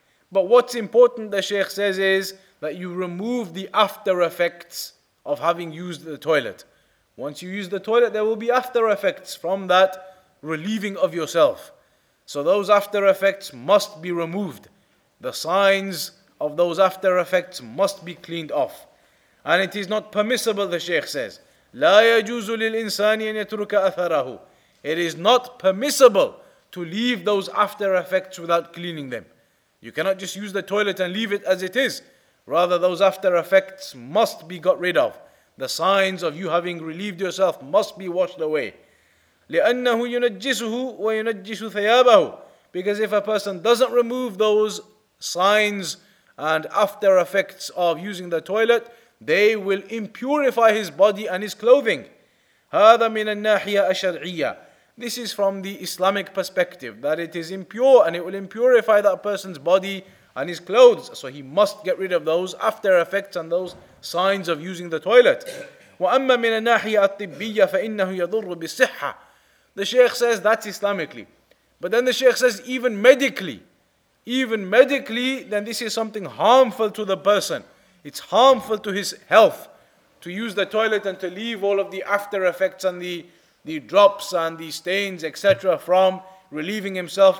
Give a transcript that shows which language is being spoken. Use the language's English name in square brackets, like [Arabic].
[English] But what's important, the Shaykh says, is that you remove the after effects of having used the toilet. Once you use the toilet, there will be after effects from that relieving of yourself. So those after effects must be removed. The signs of those after effects must be cleaned off. And it is not permissible, the Shaykh says. [Arabic] لا يجوز للإنسان أن يترك أثره. [English] It is not permissible to leave those after effects without cleaning them. You cannot just use the toilet and leave it as it is. Rather, those after effects must be got rid of. The signs of you having relieved yourself must be washed away. [Arabic] لأنه ينجسه وينجس ثيابه. [English] Because if a person doesn't remove those signs and after effects of using the toilet, they will impurify his body and his clothing. [Arabic] هذا من الناحية الشرعية. [English] This is from the Islamic perspective, that it is impure and it will impurify that person's body and his clothes. So he must get rid of those after effects and those signs of using the toilet. [Arabic] وأما من الناحية الطبية فإنه يضر بالصحة. [English] The Shaykh says that's Islamically. But then the Shaykh says even medically, even medically, then this is something harmful to the person. It's harmful to his health to use the toilet and to leave all of the after effects and the drops and the stains, etc., from relieving himself.